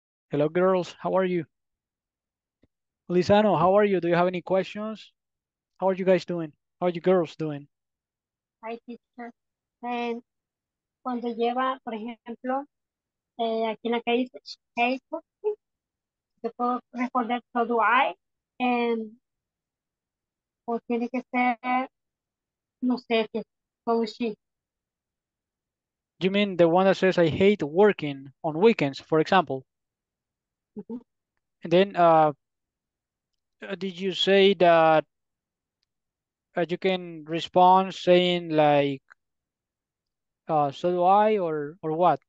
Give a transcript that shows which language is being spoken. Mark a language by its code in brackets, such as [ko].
[en] Hello, girls. How are you? Lisano, how are you? Do you have any questions? How are you guys doing? How are you girls doing? Hi, teacher. [es] Cuando lleva, por ejemplo, aquí en la que dice, hey, yo puedo responder, [en] so do I. [es] O tiene que ser, no sé, [en] so she. You mean the one that says, I hate working on weekends, for example? And then, did you say that you can respond saying like, so do I, or what?